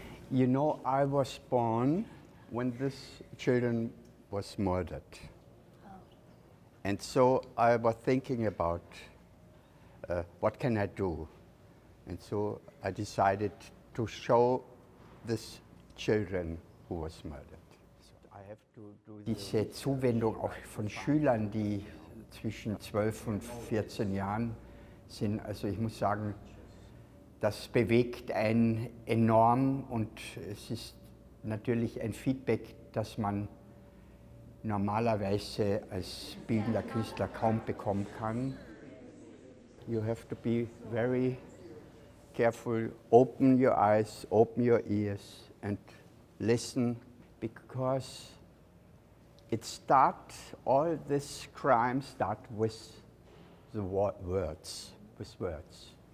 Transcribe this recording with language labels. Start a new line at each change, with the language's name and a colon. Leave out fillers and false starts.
English: You know, I was born when this children was murdered. And so I was thinking about what can I do? And so I decided to show this children who was murdered.
German: Diese Zuwendung auch von Schülern, die zwischen 12 und 14 Jahren sind, also ich muss sagen, das bewegt einen enorm und es ist natürlich ein Feedback, das man normalerweise als bildender Künstler kaum bekommen kann.
English: You have to be very careful, open your eyes, open your ears and listen, because it starts, all this crime starts with the words, with words.